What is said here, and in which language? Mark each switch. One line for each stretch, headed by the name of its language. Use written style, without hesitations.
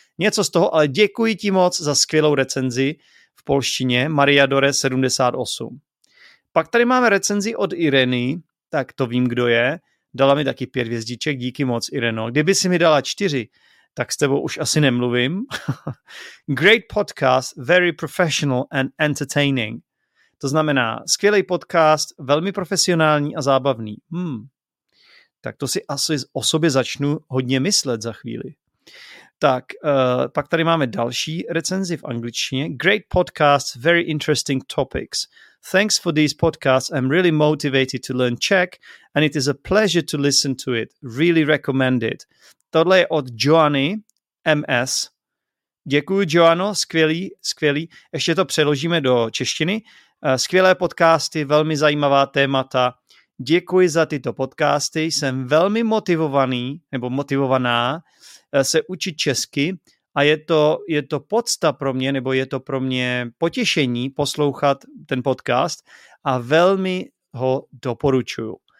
Czech: Něco z toho, ale děkuji ti moc za skvělou recenzi v polštině Mariadore 78. Pak tady máme recenzi od Ireny, tak to vím, kdo je. Dala mi taky 5 hvězdiček, díky moc, Ireno. Kdyby si mi dala 4, tak s tebou už asi nemluvím.
English: Great podcast, very professional and entertaining.
Czech: To znamená, skvělý podcast, velmi profesionální a zábavný. Tak to si asi o sobě začnu hodně myslet za chvíli. Tak, pak tady máme další recenzi v angličtině.
English: Great podcast, very interesting topics. Thanks for these podcasts. I'm really motivated to learn Czech and it is a pleasure to listen to it. Really recommend it.
Czech: Tohle je od Joanny MS. Děkuji, Joano, skvělý, skvělý. Ještě to přeložíme do češtiny. Skvělé podcasty, velmi zajímavá témata. Děkuji za tyto podcasty. Jsem velmi motivovaný, nebo motivovaná, se učit česky a je to podsta pro mě, nebo je to pro mě potěšení poslouchat ten podcast a velmi ho doporučuju.